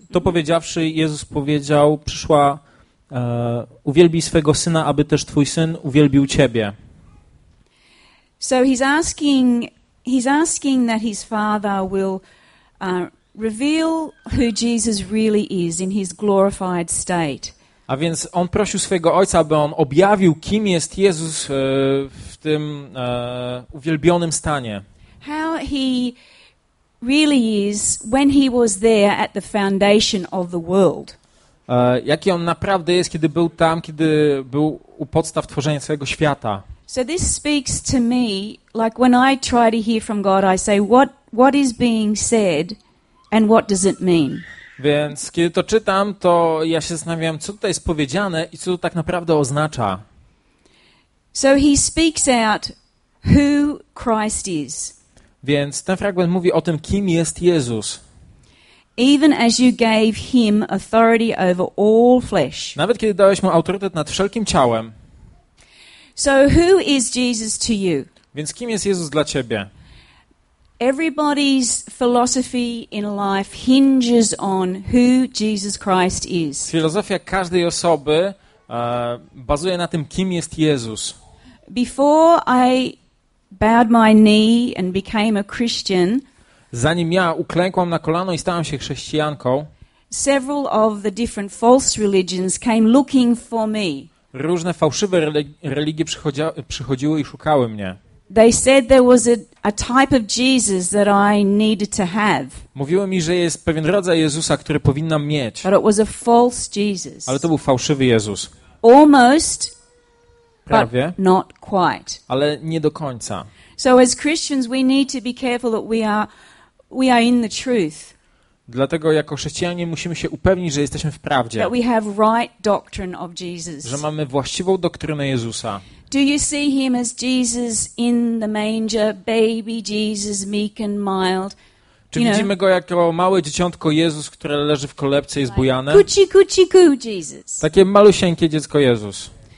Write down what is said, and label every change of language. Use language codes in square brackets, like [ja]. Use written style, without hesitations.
[pl] To powiedziawszy, Jezus powiedział, przyszła, uwielbij swego syna, aby też twój syn uwielbił ciebie. [en] So he's asking that his father will reveal who Jesus really is in his glorified state. [pl] A więc on prosił swojego ojca, aby on objawił, kim jest Jezus w tym uwielbionym stanie. [en] How he really is when he was there at the foundation of the world. [pl] Jaki on naprawdę jest, kiedy był tam, kiedy był u podstaw tworzenia całego świata. [en] So this speaks to me, like when I try to hear from God, I say, what is being said and what does it mean? [pl] Więc kiedy to czytam, to ja się zastanawiam, co tutaj jest powiedziane i co to tak naprawdę oznacza. [en] So he speaks out who Christ is. [pl] Więc ten fragment mówi o tym, kim jest Jezus. [en] Even as you gave him authority over all flesh. [pl] Nawet kiedy dałeś mu autorytet nad wszelkim ciałem. [en] So who is Jesus to you? [pl] Więc kim jest Jezus dla ciebie? [en] Everybody's philosophy in life hinges on who Jesus Christ is. [pl] Filozofia każdej osoby bazuje na tym, kim jest Jezus. [en] Before I bowed my knee and became a Christian. [pl] Zanim ja uklękłam na kolano i stałam się chrześcijanką. [en] Several of the different false religions came looking for me. [pl] Różne fałszywe religie przychodziły i szukały mnie. [en] They said there was a type of Jesus that I needed to have. [pl] Mówiły mi, że jest pewien rodzaj Jezusa, który powinnam mieć. [en] But it was a false Jesus. [pl] Ale to był fałszywy Jezus. [en] Almost. [pl] Prawie. [en] But not quite. [pl] Ale nie do końca. [en] So as Christians we need to be careful that we are in the truth. [pl] Dlatego jako chrześcijanie musimy się upewnić, że jesteśmy w prawdzie. [en] That we have right doctrine of Jesus. [pl] Że mamy właściwą doktrynę Jezusa. [en] Do you see him as Jesus in the manger, baby Jesus, meek and mild? [pl] Czy widzimy go jako małe dzieciątko Jezus, które leży w kolebce, jest bujane? Kuci, kuci, ku, Jesus. Takie malusieńkie dziecko Jezus.